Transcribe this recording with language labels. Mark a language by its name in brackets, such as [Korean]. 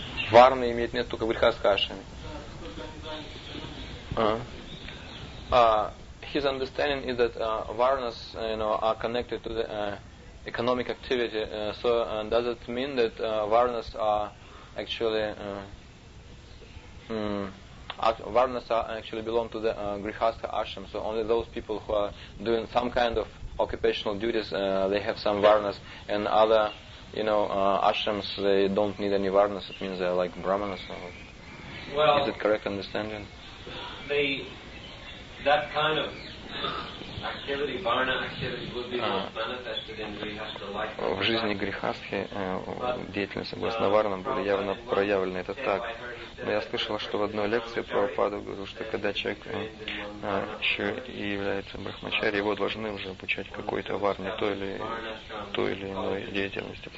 [Russian] Варна имеет место только в Брихаскашами. [English] His understanding is that varnas, you know, are connected to the economic activity. So does it mean that varnas are actually varnas are actually belong to the grihastha ashram? So only those people who are doing some kind of occupational duties, they have some varnas, and other, you know, ashrams, they don't need any varnas. It means they are like brahmanas. Well, is it correct understanding? That kind of activity, varna activity, would be manifested in grihastha life. [Russian] В жизни грихасхи деятельность согласно варнам будет явно проявлена. Это так. Но я слышал, что в одной лекции Прабхупада говорил, что когда человек еще и является брахмачари, его должны уже обучать какой-то варне, той или иной деятельности.